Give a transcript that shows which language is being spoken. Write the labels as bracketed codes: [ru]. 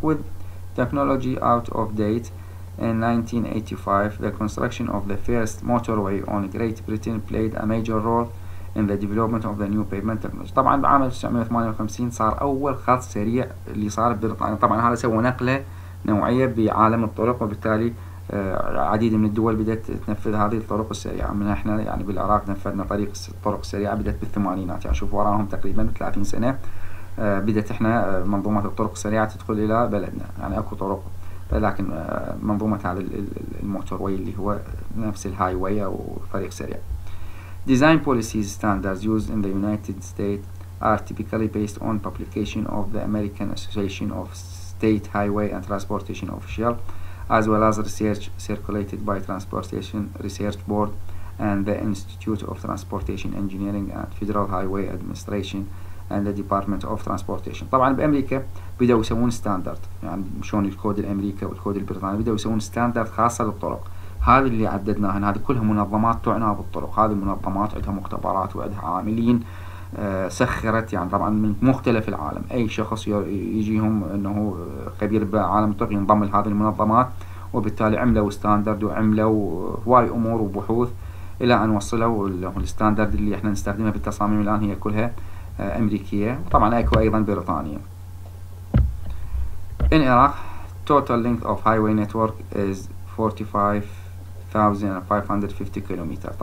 [en] With technology out of date in 1985, the construction of the first motorway on Great Britain played a major role in the development of the new pavement technology. [ar] طبعا بعام 1958 صار أول خط سريع اللي صار ببريطانيا، طبعا هذا سوى نقلة نوعية بعالم الطرق، وبالتالي العديد من الدول بدأت تنفذ هذه الطرق السريعة. من احنا يعني بالعراق نفذنا طريق الطرق السريعة بدأت بالثمانينات، يعني شوف وراهم تقريبا 30 سنة بدأت احنا منظومة الطرق السريعة تدخل إلى بلدنا، يعني اكو طرق لكن منظومة هذا الموتورواي اللي هو نفس الهاي واي او طريق سريع. [en] Design policies standards used in the United States are typically based on publication of the American Association of State Highway and Transportation Official, as well as research circulated by Transportation Research Board and the Institute of Transportation Engineering and Federal Highway Administration and the Department of Transportation. [ar] طبعا بأمريكا بدأوا يسوون ستاندرد، يعني شلون الكود الأمريكي والكود البريطاني بدأوا يسوون ستاندرد خاصة للطرق. هذه اللي عددناها، هذه كلها منظمات تعنى بالطرق، هذه المنظمات عندها مختبرات وعندها عاملين سخرت، يعني طبعا من مختلف العالم، اي شخص يجيهم انه خبير بعالم الطرق ينضم لهذه المنظمات، وبالتالي عملوا ستاندرد وعملوا هواي امور وبحوث الى ان وصلوا الستاندرد اللي احنا نستخدمها بالتصاميم الان هي كلها امريكيه، وطبعا اكو ايضا بريطانيه. [en] In Iraq, total length of highway network is 45,550 كيلومتر.